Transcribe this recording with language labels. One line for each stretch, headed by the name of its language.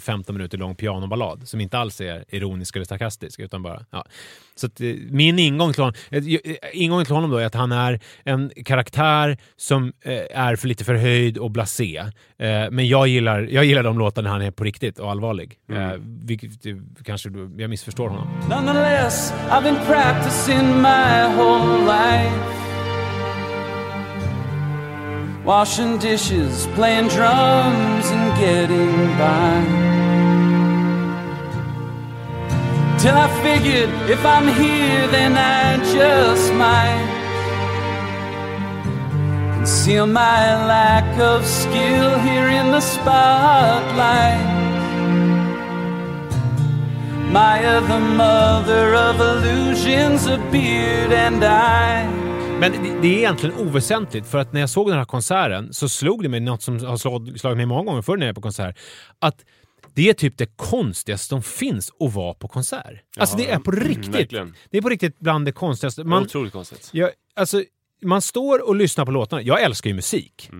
Swedish: En 15 minuter lång pianoballad som inte alls är ironisk eller sarkastisk, utan bara, ja. Så att, min ingång till honom då är att han är en karaktär som är för lite förhöjd och blasé, men jag gillar de låtarna när han är på riktigt och allvarlig. Vilket kanske jag missförstår honom.
English: Nonetheless, I've been practicing my whole life, washing dishes, playing drums and getting by, till I figured if I'm here then I just might conceal my lack of skill here in the spotlight. Maya, the mother of illusions, appeared and I.
Swedish: Men det är egentligen oväsentligt, för att när jag såg den här konserten så slog det mig något som har slagit mig många gånger förr när jag är på konsert, att det är typ det konstigaste som finns att vara på konsert. Jaha, alltså det är på riktigt. Verkligen. Det är på riktigt bland det konstigaste. Man, otroligt konstigt. Jag, alltså man står och lyssnar på låtarna. Jag älskar ju musik.